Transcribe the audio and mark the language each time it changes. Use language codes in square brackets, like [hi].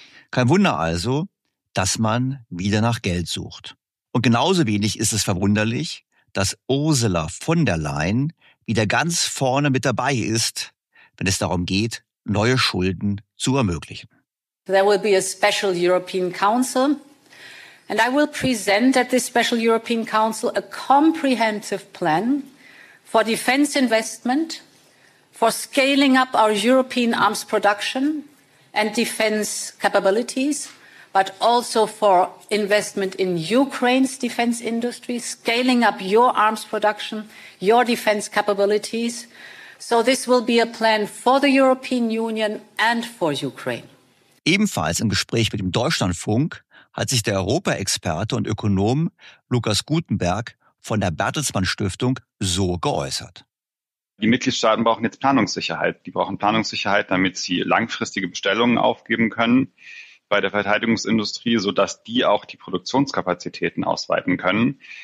[de] Kein Wunder also, dass man wieder nach Geld sucht. Und genauso wenig ist es verwunderlich, dass Ursula von der Leyen wieder ganz vorne mit dabei ist, wenn es darum geht, neue Schulden zu ermöglichen. [en] There will be a special European Council and I will present at this special European Council a comprehensive plan for defense investment, for scaling up our European arms production and defense capabilities, but also for investment in Ukraine's defense industry, scaling up your arms production, your defense capabilities. So this will be a plan for the European Union and for Ukraine. [de] Ebenfalls im Gespräch mit dem Deutschlandfunk hat sich der Europaexperte und Ökonom Lukas Gutenberg von der Bertelsmann Stiftung so geäußert. Die Mitgliedstaaten brauchen jetzt Planungssicherheit. Die brauchen Planungssicherheit, damit sie langfristige Bestellungen aufgeben können bei der Verteidigungsindustrie, sodass die auch die Produktionskapazitäten ausweiten können.